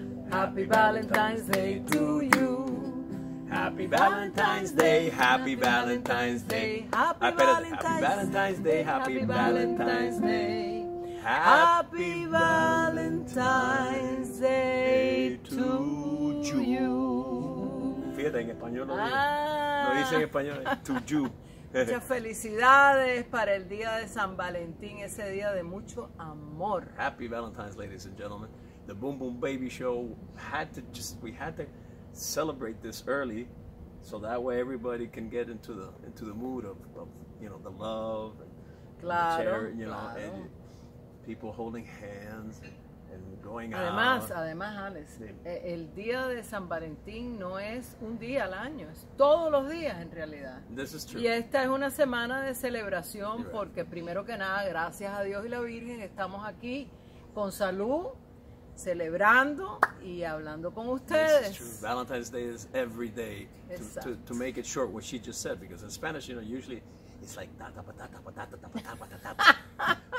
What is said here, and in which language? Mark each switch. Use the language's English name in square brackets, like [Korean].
[English] Happy Valentine's Day to you. Happy Valentine's Day. Happy Valentine's Day. Happy Valentine's Day. Happy Valentine's Day. Happy Valentine's Day to you. [Spanish] Fíjate, en español lo dice en español. [English] To you. [Spanish] Muchas felicidades para el día de San Valentín, ese día de mucho amor. [English] Happy Valentine's, ladies and gentlemen. The Boom Boom Baby Show had to we had to celebrate this early, so that way everybody can get into the mood of you know, the love. And [Spanish] claro. [English] The chair, you know, claro. And people holding hands and going [Spanish] además, [English] out. [Spanish] Además, Alex, el día de San Valentín no es un día al año, es todos los días en realidad. [English] This is true. [Spanish] Y esta es una semana de celebración, right. Porque primero que nada, gracias a Dios y la Virgen, estamos aquí con salud, celebrando y hablando con ustedes. [English] This is true. Valentine's Day is every day. To make it short, what she just said, because in Spanish, you know, usually it's like ta ta ta ta ta ta ta ta ta ta ta ta.